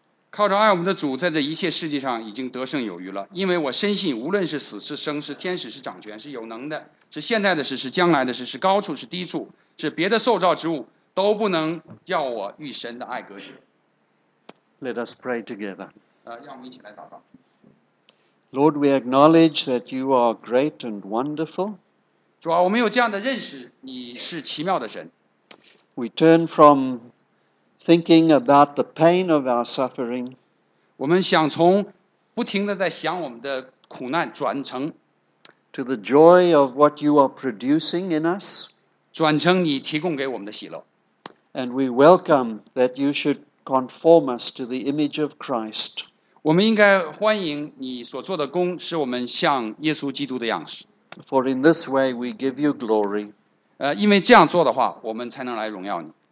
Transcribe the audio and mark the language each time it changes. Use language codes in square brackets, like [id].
[zh] 靠着爱我们的主，在这一切世界上已经得胜有余了。因为我深信，无论是死是生，是天使是掌权，是有能的，是现在的事，是将来的事，是高处是低处，是别的受造之物，都不能叫我与神的爱隔绝。 [en] Let us pray together. [zh] 让我们一起来祷告。 [en] Lord, we acknowledge that you are great and wonderful. [zh] 主啊，我们有这样的认识，你是奇妙的神。 [en] We turn from thinking about the pain of our suffering. [zh] 我们想从不停地在想我们的苦难转成 [en] to the joy of what you are producing in us. [zh] 转成你提供给我们的喜乐。 [en] And we welcome that you should conform us to the image of Christ. [zh] 我们应该欢迎你所做的工使我们像耶稣基督的样式。 [en] For in this way we give you glory. [zh] 因为这样做的话我们才能来荣耀你。